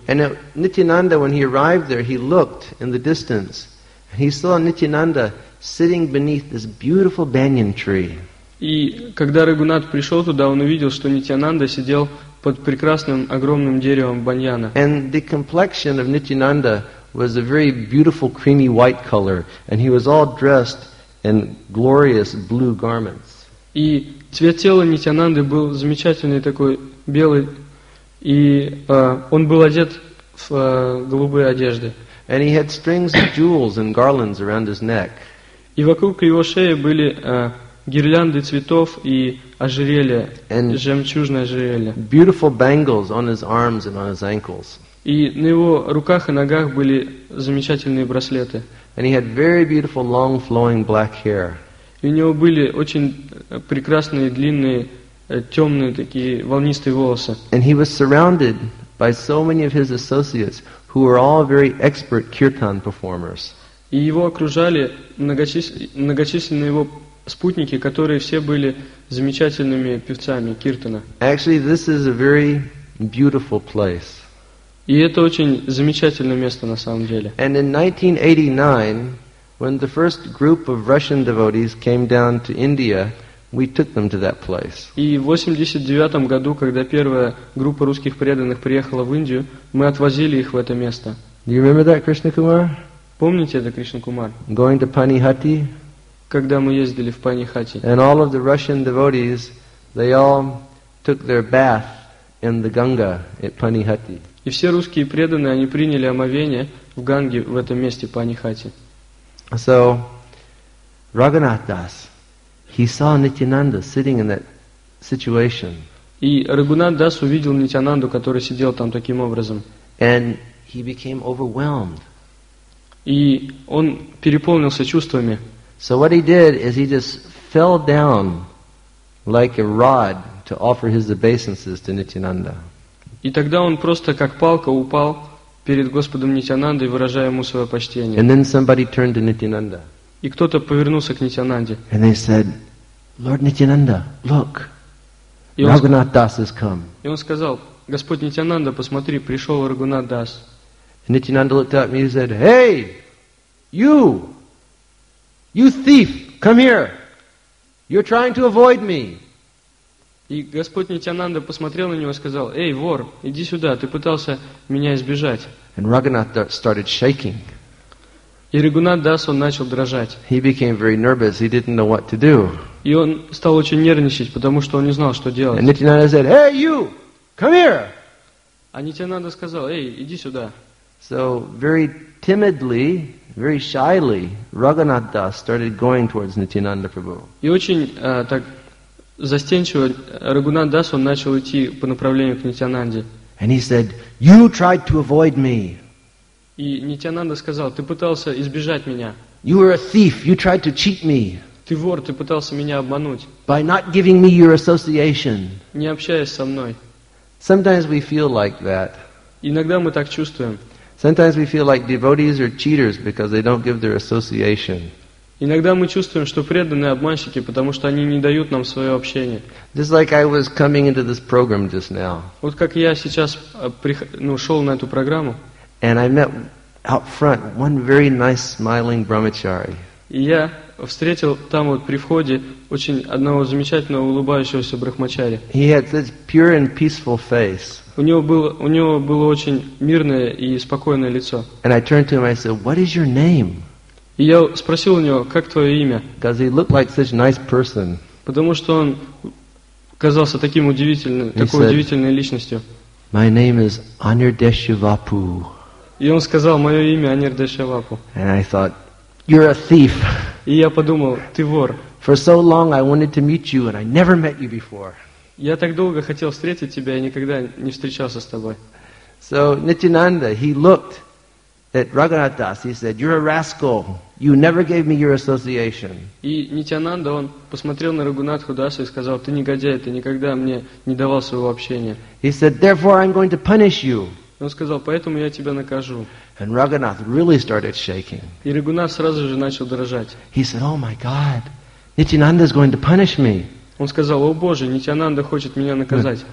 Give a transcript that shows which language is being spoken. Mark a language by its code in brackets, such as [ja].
[en] And Nityananda, when he arrived there, he looked in the distance, and he saw Nityananda sitting beneath this beautiful banyan tree. [ru] И когда Рагхунат пришел туда, он увидел, что Нитянанда сидел под прекрасным огромным деревом баньяна. [en] And the complexion of Nityananda was a very beautiful creamy white color, and he was all dressed in glorious blue garments. [ru] И цвет тела Нитянанды был замечательный такой белый, и он был одет в голубые одежды. [en] And he had strings of jewels and garlands around his neck. [ru] И вокруг его шеи были гирлянды цветов и ожерелья, жемчужное ожерелье. [en] Beautiful bangles on his arms and on his ankles. [ru] И на его руках и ногах были замечательные браслеты. [en] And he had very beautiful long flowing black hair. [ru] И у него были очень прекрасные длинные темные такие волнистые волосы. [en] And he was surrounded by so many of his associates who were all very expert kirtan performers. [ru] И его окружали многочисленные его спутники, которые все были замечательными певцами киртана. [en] Actually, this is a very beautiful place. [ru] И это очень замечательное место на самом деле. [en] And in 1989, when the first group of Russian devotees came down to India, we took them to that place. [ru] И в 89 году, когда первая группа русских преданных приехала в Индию, мы отвозили их в это место. [en] Do you remember that, Krishna Kumar? [ru] Помните это, Кришна Кумар? [en] Going to Panihati. [ru] Когда мы ездили в Панихати. [en] And all of the Russian devotees, they all took their bath in the Ganga at Panihati. [ru] И все русские преданные, они приняли омовение в Ганге, в этом месте Панихати. [en] So, Raghunath Das, he saw Nityananda sitting in that situation. [ru] И Рагхунат Дас увидел Нитянанду, который сидел там таким образом. [en] And he became overwhelmed. [ru] И он переполнился чувствами. [en] So what he did is he just fell down like a rod to offer his obeisances to Nityananda. [ru] И тогда он просто как палка упал перед Господом Нитянандой, выражая ему свое почтение. [en] And then somebody turned to Nityananda. [ru] И кто-то повернулся к Нитянанде. [en] And they said, Lord Nityananda, look, Raghunath Das has come. [ru] И он сказал, Господь Нитянанда, посмотри, пришел Рагунат Дас. [en] And Nityananda looked at me and said, Hey, you, you thief, come here. You're trying to avoid me. [ru] И Господь Нитянанда посмотрел на него и сказал, Эй, вор, иди сюда, ты пытался меня избежать. [en] And Raghunath started shaking. [ru] И Рагунат Дас, он начал дрожать. [en] He became very nervous, he didn't know what to do. [ru] И он стал очень нервничать, потому что он не знал, что делать. [en] And Nityananda said, Hey, you, come here. [ru] А Нитянанда сказал, Эй, иди сюда. [en] So, very timidly, very shyly, Raghunath Das started going towards Nityananda Prabhu. [ru] И очень так застенчиво Рагунат Дас, он начал идти по направлению к Нитянанде. [en] And he said, You tried to avoid me. [ru] И Нитянанда сказал, Ты пытался избежать меня. [en] You were a thief, you tried to cheat me. [ru] Ты вор, ты пытался меня обмануть. [en] By not giving me your association. [ru] Не общаясь со мной. [en] Sometimes we feel like that. [ru] Иногда мы так чувствуем. [en] Sometimes we feel like devotees are cheaters because they don't give their association. [ru] Иногда мы чувствуем, что преданные обманщики, потому что они не дают нам свое общение. [en] Just like I was coming into this program just now. [ru] Вот как я сейчас шел на эту программу. [en] And I met out front one very nice smiling brahmachari. [ru] И я встретил там вот при входе очень одного замечательного улыбающегося брахмачари. [en] He had such pure and peaceful face. [ru] У него было очень мирное и спокойное лицо. [en] And I turned to him, I said, "What is your name?" [ru] И я спросил у него, как твое имя? [en] Because he looked like such a nice person. [ru] Потому что он казался таким удивительным, такой удивительной личностью. [en] My name is Anirdeshavapu. [ru] И он сказал, мое имя Анирдешавапу. [en] And I thought, You're a thief. [ru] И я подумал, ты вор. [en] For so long I wanted to meet you and I never met you before. [ru] Я так долго хотел встретить тебя, я никогда не встречался с тобой. [en] So Nityananda, he looked at Raghunath Das, he said, You're a rascal. You never gave me your association. [ru] И Нитянанда, он посмотрел на Рагунатху Даса и сказал, ты негодяй, ты никогда мне не давал своего общения. [en] He said, Therefore I'm going to punish you. [ru] Он сказал, поэтому я тебя накажу. [en] And Raghunath really started shaking. [ru] И Рагунат сразу же начал дрожать. [en] He said, Oh my God, Nityananda is going to punish me. [ru] Он сказал, О Боже, Нитянанда хочет меня наказать.